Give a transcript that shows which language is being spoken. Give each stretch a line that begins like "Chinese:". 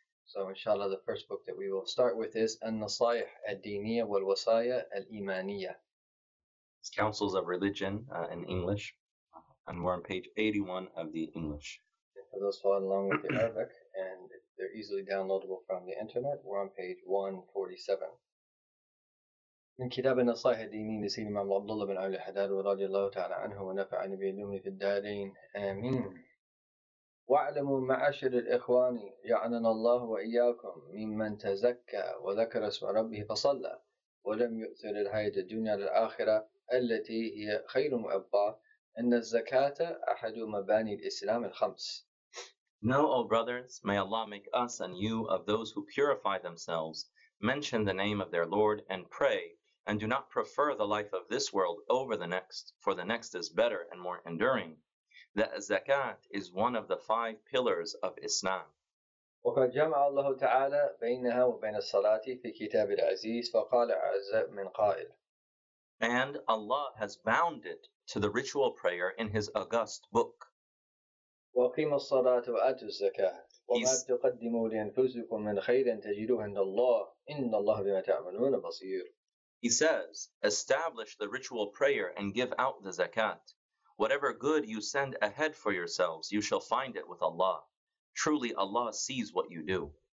English: So inshallah, the first book that we will start with is An-Nasayih Ad-Diniyah Wal-Wasaya Al-Imaniyah. It's Counsels of Religion in English, and we're on page 81 of the English. And for those following along with the Arabic, and they're easily downloadable from the internet, we're on page 147.
Arabic: من كتاب النصائح الدينية لسيد الإمام عبد الله بن علي الحداد رضي الله تعالى عنه ونفعني بعلومه في الدارين آمين. واعلموا معاشر الإخوان يعلن الله وإياكم ممن تزكى وذكر اسم ربه فصلى ولم يؤثر الحياة الدنيا للآخرة التي هي خير مأبى أن الزكاة أحد مباني الإسلام الخمس.
English: Know, O brothers, may Allah make us and you of those who purify themselves, mention the name of their Lord and pray, and do not prefer the life of this world over the next, for the next is better and more enduring. The zakat is one of the five pillars of Islam.
Arabic: وقد جمع الله تعالى بينها وبين الصلاة في كتاب العزيز فقال عز من قائل.
English: And Allah has bound it to the ritual prayer in His august book.
Arabic: وقيم الصلاة وآت الزكاة وما تقدموا لأنفسكم من خير تجدوه عند الله إن الله بما تعملون بصير.
English: He says, establish the ritual prayer and give out the zakat. Whatever good you send ahead for yourselves, you shall find it with Allah. Truly, Allah sees what you do.